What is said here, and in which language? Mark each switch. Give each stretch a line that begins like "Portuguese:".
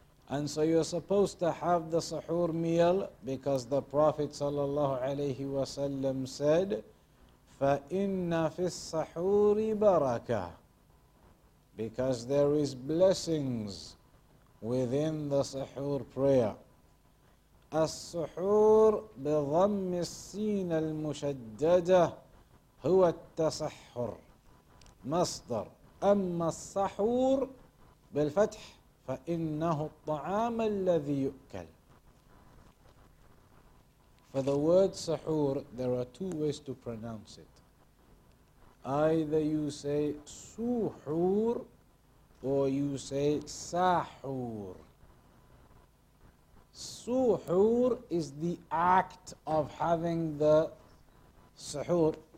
English: And so you're supposed to have the sahur meal, because the Prophet sallallahu alayhi wa sallam said,
Arabic: فَإِنَّ فِي السَّحُورِ بَرَكَةً,
English: because there is blessings within the sahur prayer.
Arabic: السحور بضم السين المشددة هو التسحر مصدر, أما السحور بالفتح فإنه الطعام الذي يؤكل.
English: For the word sahur, there are two ways to pronounce it. Either you say suhur or you say sahur. Suhoor is the act of having the suhoor.